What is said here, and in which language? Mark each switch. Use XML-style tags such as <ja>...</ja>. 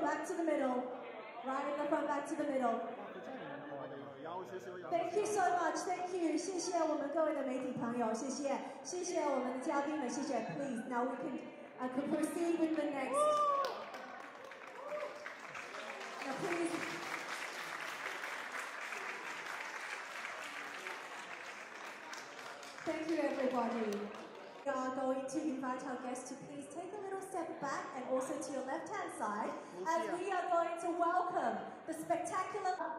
<en>Right in the front, back to the middle. Thank you so much, thank you.</en> <zh>谢谢我们各位的媒体朋友，谢谢。谢谢我们的嘉宾们，谢谢。</zh> <en>Please, now we can, proceed with the next. Now please. Thank you, everybody. We are going to invite our guests to please take a little step back and also to your left-hand side as we are going to welcome the spectacular...</en>